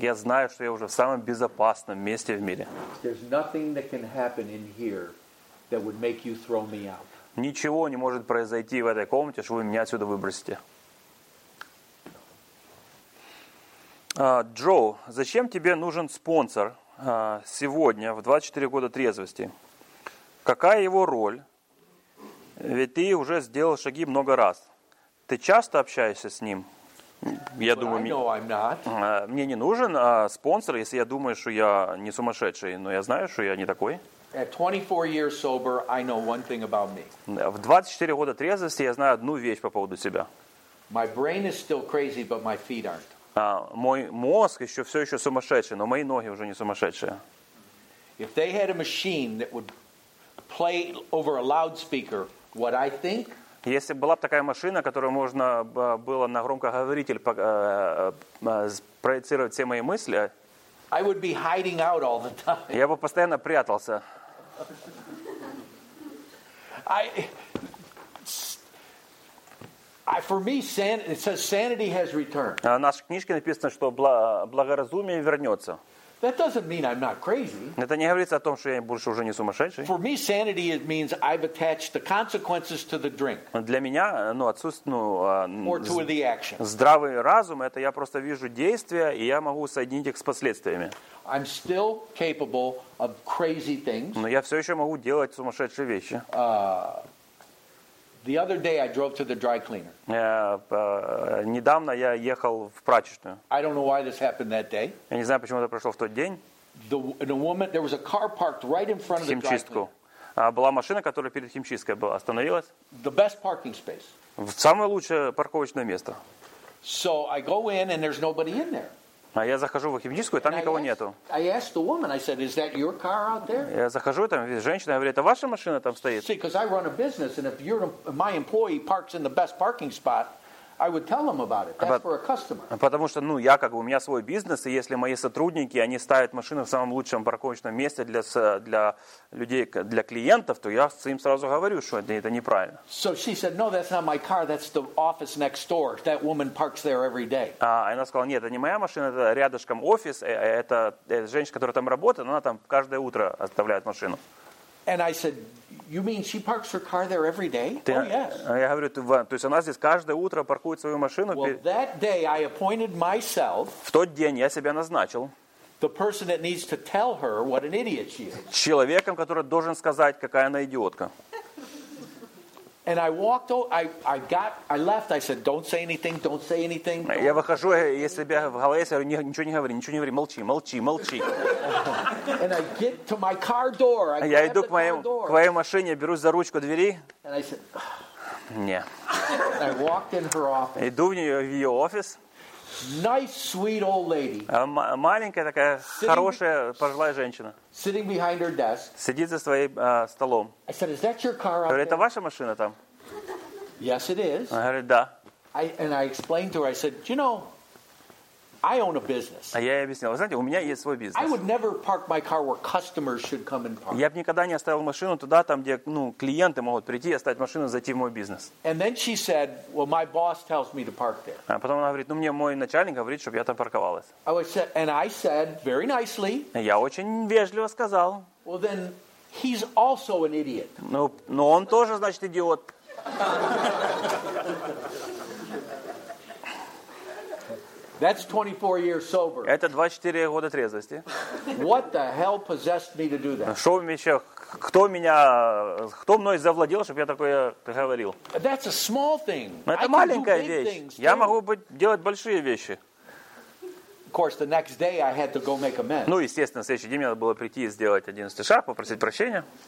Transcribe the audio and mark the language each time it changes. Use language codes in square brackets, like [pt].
[ru] Я знаю, что я уже в самом безопасном месте в мире. [en] There's nothing that can happen in here that would make you throw me out. [ru] Ничего не может произойти в этой комнате, что вы меня отсюда выбросите. Джо, зачем тебе нужен спонсор сегодня, в 24 года трезвости? Какая его роль? Ведь ты уже сделал шаги много раз. Ты часто общаешься с ним? Я думаю, мне не нужен спонсор, если я думаю, что я не сумасшедший, но я знаю, что я не такой. [en] At 24 years sober, I know one thing about me. [ru] В 24 года трезвости я знаю одну вещь по поводу себя. [en] My brain is still crazy, but my feet aren't. [ru] Мой мозг еще все еще сумасшедший, но мои ноги уже не сумасшедшие. [en] If they had a machine that would play over a loudspeaker, what I think? [ru] Если была бы такая машина, которую можно было на громкоговоритель проецировать все мои мысли, [en] I would be hiding out all the time. [ru] Я бы постоянно прятался. [en] I for me, it says sanity has returned. [ru] В нашей книжке написано, что благоразумие вернется. [en] That doesn't mean I'm not crazy. [ru] Это не говорится о том, что я больше уже не сумасшедший. [en] For me, sanity it means I've attached the consequences to the drink. [ru] Для меня, отсутствие. [en] Or to the action. [ru] Здравый разум — это я просто вижу действия и я могу соединить их с последствиями. [en] I'm still capable of crazy things. [ru] Но я все еще могу делать сумасшедшие вещи. [en] The other day I drove to the dry cleaner. [ru] Недавно я ехал в прачечную. [en] I don't know why this happened that day. [ru] Я не знаю, почему это прошло в тот день. [en] The woman, there was a car parked right in front of the [ru] химчистку. [en] Dry cleaner. [ru] Была машина, которая перед химчисткой была, остановилась. [en] The best parking space. [ru] Самое лучшее парковочное место. [en] So I go in and there's nobody in there. [ru] А я захожу в химчистку, и там никого нету. [en] I asked the woman, I said, is that your car out there? [ru] Я захожу, там женщина говорит, это ваша машина там стоит? [en] See, because I run a business, and if my employee parks in the best parking spot, I would tell them about it. That's for a customer. [ru] Потому что, я как бы, у меня свой бизнес, и если мои сотрудники, они ставят машину в самом лучшем парковочном месте для людей, для клиентов, то я им сразу говорю, что это неправильно. [en] So she said, no, that's not my car, that's the office next door. That woman parks there every day. [ru] Она сказала, нет, это не моя машина, это рядышком офис, это женщина, которая там работает, она там каждое утро оставляет машину. [en] And I said, "You mean she parks her car there every day?" [ru] Ты, [en] oh yes. [ru] Я говорю, то есть она здесь каждое утро паркует свою машину. [en] Well, that day I appointed myself. [ru] В тот день я себя назначил. [en] The person that needs to tell her what an idiot she is. [ru] Человеком, который должен сказать, какая она идиотка. [en] And I walked. I got. I left. I said, "Don't say anything. Don't say anything." Don't. [ru] Я выхожу, я себя в голове говорю, ничего не говори, ничего не говори, молчи, молчи, молчи. [en] And I get to my car door. [ru] Я иду к моей машине, берусь за ручку двери. [en] And I said, [ru] "Не." [en] I walked in her office. [ru] Иду в ее офис. [en] Nice, sweet old lady. [ru] Маленькая такая хорошая пожилая женщина. [en] Sitting behind her desk. [ru] Сидит за своим столом. [en] I said, "Is that your car?" [ru] Говорит, это ваша машина там? [en] Yes, it is. [ru] Она говорит, да. [en] I explained to her. I said, "You know, I own a business." [ru] А я ей объяснил, вы знаете, у меня есть свой бизнес. [en] I would never park my car where customers should come and park. [ru] Я бы никогда не оставил машину туда, там где клиенты могут прийти, оставить машину, зайти в мой бизнес. [en] And then she said, "Well, my boss tells me to park there." [ru] А потом она говорит, мне мой начальник говорит, чтобы я там парковалась. [en] I said very nicely. [ru] Я очень вежливо сказал. [en] Well, then he's also an idiot. [ru] Но он тоже, значит, идиот. [en] That's 24 years sober. [ru] Это 24 года трезвости. [en] What the hell possessed me to do that? [ru] Что вообще, кто мной завладел, чтобы я такое говорил? [en] That's a small thing. [ru] Это маленькая вещь. Я могу делать большие вещи. [en] Of course, the next day I had to go make amends. [ru] Естественно, следующий день мне надо было прийти и сделать 11 шаг, попросить прощения.